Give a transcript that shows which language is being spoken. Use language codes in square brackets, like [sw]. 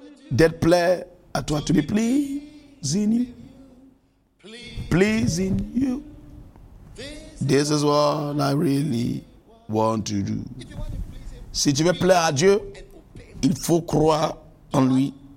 [fr] D'être plaire à toi, [en] to be pleasing you. Pleasing you. This is what I really want to do. [fr] Si tu veux plaire à Dieu, il faut croire en lui.